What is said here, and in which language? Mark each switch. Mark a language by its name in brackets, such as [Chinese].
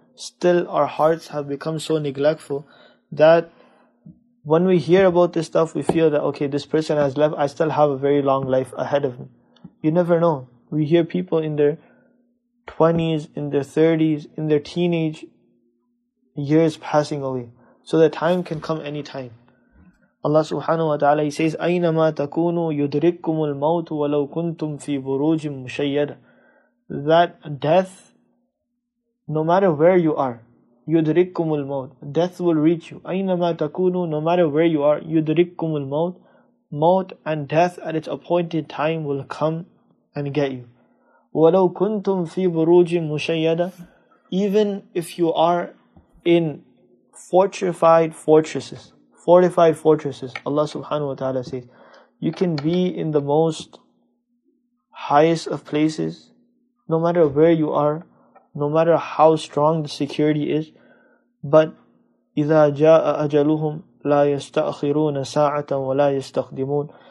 [English] Still, our hearts have become so neglectful that when we hear about this stuff, we feel that, okay, this person has left. I still have a very long life ahead of me. You never know. We hear people in their 20s, in their 30s, in their teenage years passing away. So the time can come any time. [Arabic] Allah subhanahu wa ta'ala, [English] He says, [Arabic] أَيْنَمَا تَكُونُوا يُدْرِكُمُ الْمَوْتُ وَلَوْ كُنْتُمْ فِي بُرُوجٍ مُشَيَّدًا. [English] That death, no matter where you are, [Arabic] يُدْرِكُمُ الْمَوْتُ, [English] death will reach you. [Arabic] أَيْنَمَا تَكُونُوا, [English] no matter where you are, [Arabic] يُدْرِكُمُ الْمَوْتُ, [English] mouth and death at its appointed time will come and get you. [Arabic] وَلَوْ كُنْتُمْ فِي بُرُوجٍ مُشَيَّدًا, [English] even if you are in fortified fortresses, Allah subhanahu wa ta'ala says, you can be in the most highest of places, no matter where you are, no matter how strong the security is, but [Arabic] إِذَا جَاءَ أَجَلُهُمْ لَا يَسْتَأْخِرُونَ سَاعَةً وَلَا يَسْتَخْدِمُونَ.